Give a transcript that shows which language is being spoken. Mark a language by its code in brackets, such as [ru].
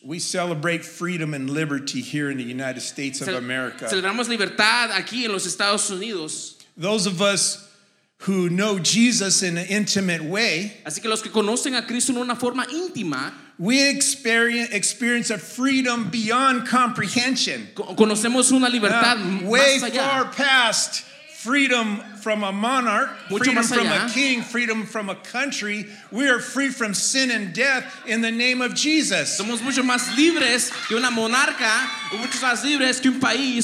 [en] We celebrate freedom and liberty here in the United States of America. [es] Celebramos libertad aquí en los Estados Unidos. [en] Those of us who know Jesus in an intimate way, [es] así que los que conocen a Cristo en una forma íntima, [en] we experience a freedom beyond comprehension. [es] Conocemos una libertad [en] way [es] más allá. [en] Far past freedom from a monarch, [es] mucho [en] freedom [es] más allá. [en] From a king, freedom from a country. We are free from sin and death in the name of Jesus. [es] Somos mucho más libres que una monarca, mucho más libres que un país.